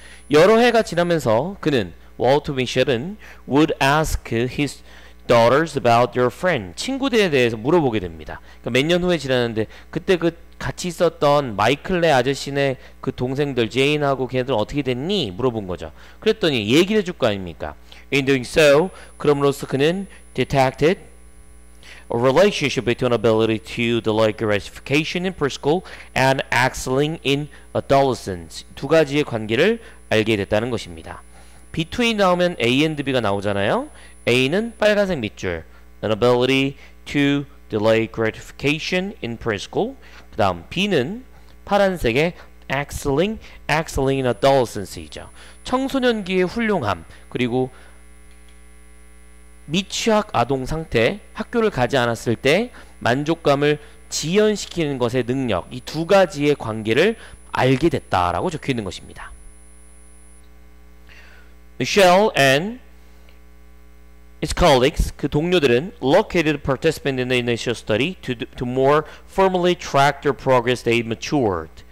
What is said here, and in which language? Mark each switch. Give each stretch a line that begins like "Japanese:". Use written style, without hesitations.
Korean: 여러 해가 지나면서 그는, Walter Mitchell은
English: would ask his daughters about their friend,
Korean: 친구들에 대해서 물어보게 됩니다. 그러니까 몇 년 후에 지났는데 그때 그 같이 있었던 마이클의 아저씨네 그 동생들 제인하고 걔네들 어떻게 됐니? 물어본 거죠. 그랬더니 얘기를 해줄 거 아닙니까?
English: In doing so,
Korean: 그럼으로써
English: 그는 detected a relationship between ability to delay gratification in preschool and excelling in adolescence.
Korean: 두 가지의 관계를 알게 됐다는 것입니다. Between 나오면 A and B가 나오잖아요. A는 빨간색 밑줄.
English: An ability to delay gratification in preschool.
Korean: 그 다음 B는 파란색의
English: excelling in adolescence
Korean: 이죠. 청소년기의 훌륭함. 그리고 미취학 아동 상태, 학교를 가지 않았을 때 만족감을 지연시키는 것의 능력, 이 두 가지의 관계를 알게 됐다라고 적혀 있는 것입니다.
English: Michelle and his colleagues,
Korean: 그 동료들은
English: located participants in the initial study to more firmly track their progress they matured.